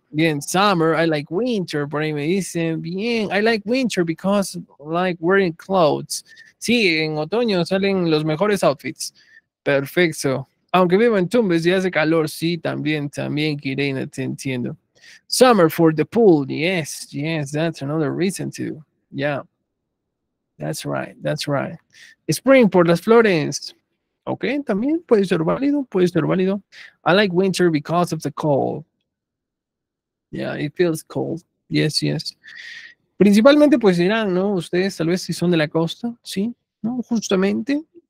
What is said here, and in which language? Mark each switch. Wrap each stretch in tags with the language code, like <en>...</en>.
<en>Bien, summer, I like winter,</en> <es>por ahí me dicen, bien,</es> <en>I like winter because I like wearing clothes.</en> <es>Sí, en otoño salen los mejores outfits, perfecto. Aunque vivo en Tumbes y hace calor, sí, también, Kirena, te entiendo.</es> <en>Summer for the pool, yes, yes, that's another reason too, yeah, that's right, that's right. Spring</en> <es>por las flores, ok, también puede ser válido,</es> <en>I like winter because of the cold, yeah, it feels cold, yes, yes.</en> <es>Principalmente pues dirán, ¿no? Ustedes tal vez si son de la costa, sí, ¿no? Justamente.</es>